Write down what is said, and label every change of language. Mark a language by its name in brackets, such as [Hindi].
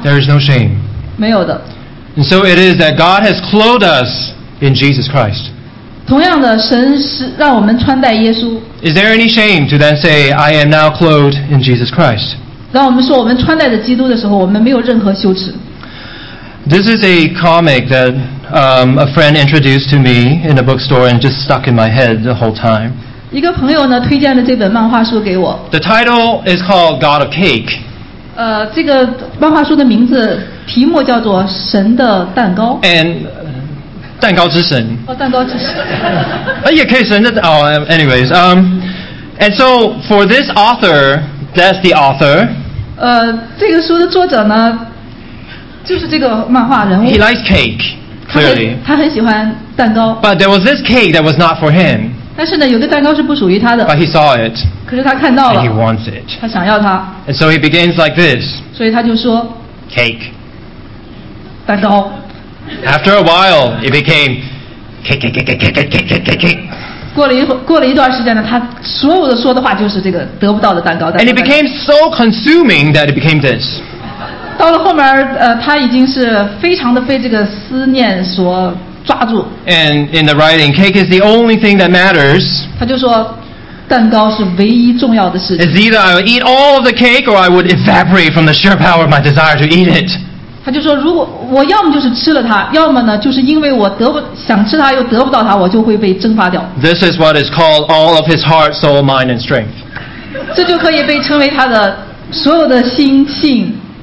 [English] There is no shame. [Chinese] 没有的。 [English] And so it is that God has clothed us in Jesus Christ. [Chinese] 同样的，神是让我们穿戴耶稣。 [English] Is there any shame to then say I am now clothed in Jesus Christ? [Chinese] 当我们说我们穿戴着基督的时候，我们没有任何羞耻。 [English] This is a comic that a friend introduced to me in a bookstore and just stuck in my head the whole time. [Chinese] 一个朋友呢推荐了这本漫画书给我。 [English] The title is called God of Cake. [Chinese] 这个漫画书的名字题目叫做神的蛋糕。 And 蛋糕之神。蛋糕之神。也可以神的蛋糕。 [English] Anyways, and so for this author, that's the author. [Chinese] 这个书的作者呢。就是这个漫画人物。 [English] He likes cake, clearly. [Chinese] 他很喜欢蛋糕。 [English] But there was this cake that was not for him. [Chinese] 但是呢，有个蛋糕是不属于他的。 [English] But he saw it. [Chinese] 可是他看到了。 [English] And he wants it. [Chinese] 他想要它。 [English] And so he begins like this. [Chinese] 所以他就说。 [English] Cake. [Chinese] 蛋糕。 [English] After a while, it became cake. [Chinese] 过了一段时间呢，他所有的说的话就是这个得不到的蛋糕。 [English] And it became so consuming that it became this. [Chinese] 到了后面，他已经是非常的被这个思念所抓住。 [English] And in the writing, cake is the only thing that matters. [Chinese] 他就说，蛋糕是唯一重要的事情。 [English] It's either I would eat all of the cake or I would evaporate from the sheer power of my desire to eat it. [Chinese] 他就说，如果我要么就是吃了它，要么呢，就是因为我想吃它又得不到它，我就会被蒸发掉。 [English] This is what is called all of his heart, soul, mind, and strength. [Chinese] 这就可以被称为他的所有的心性。